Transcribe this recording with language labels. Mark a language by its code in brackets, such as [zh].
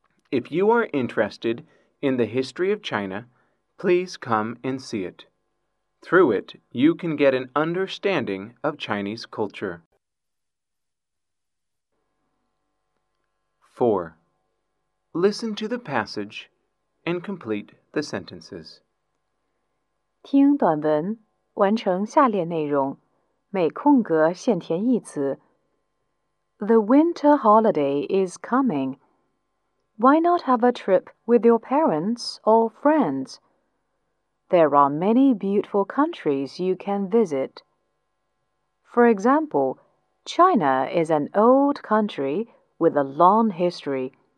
[en] If you are interested in the history of China, please come and see it. Through it, you can get an understanding of Chinese culture. 4. Listen to the passage and complete the sentences. [zh] 听短文，完成下列内容，每空格限填一词。 [en] The winter holiday is coming. Why not have a trip with your parents or friends? There are many beautiful countries you can visit. For example, China is an old country with a long history.